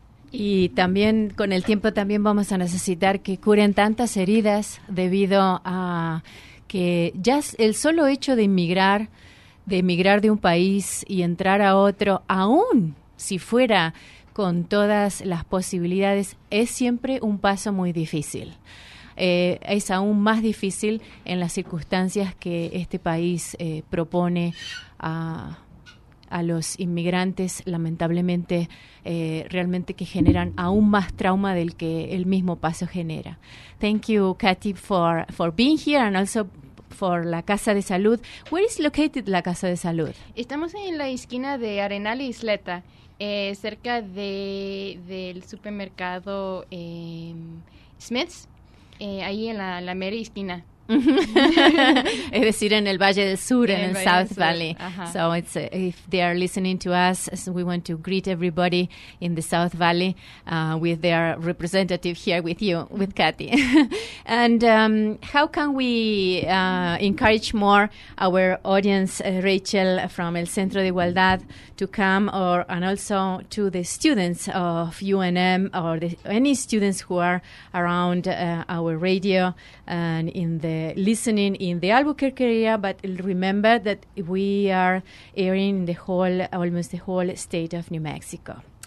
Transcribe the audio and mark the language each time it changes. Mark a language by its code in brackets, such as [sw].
[es] Y también con el tiempo también vamos a necesitar que curen tantas heridas debido a que ya el solo hecho de inmigrar, de emigrar de un país y entrar a otro, aún si fuera con todas las posibilidades, es siempre un paso muy difícil. Es aún más difícil en las circunstancias que este país propone a los inmigrantes, lamentablemente, realmente que generan aún más trauma del que el mismo paso genera. [en] Thank you, Katy, for being here and also for la Casa de Salud. Where is located la Casa de Salud? [es] Estamos en la esquina de Arenal y Isleta, cerca del supermercado Smith's, ahí en la mera esquina. Es decir, en el Valle del Sur, en el Valle South Valley. Uh-huh. [en] So it's if they are listening to us, so we want to greet everybody in the South Valley with their representative here with you, with Katy. And how can we encourage more our audience, Rachel, from El Centro de Igualdad to come, or and also to the students of UNM or any students who are around our radio and in the listening in the Albuquerque area, but remember that we are airing the whole, almost the whole state of New Mexico.